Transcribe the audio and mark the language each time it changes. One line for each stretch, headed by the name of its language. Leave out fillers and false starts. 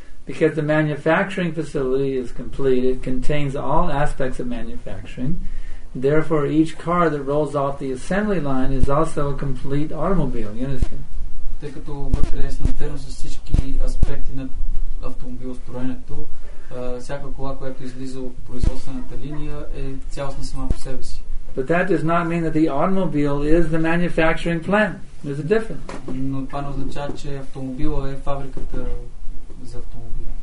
English: Because the manufacturing facility is complete, it contains all aspects of manufacturing. Therefore, each car that rolls off the assembly line is also a complete automobile. You understand?
Bulgarian: Тъй като вътре с натерно с всички аспекти на автомобилостроенето, всяка кола, която излиза от производствената линия, е цялостна сама по себе си.
English: But that does not mean that the automobile is the manufacturing plant. There's a difference.
Bulgarian: Но това не означава, че автомобила е фабриката за автомобили.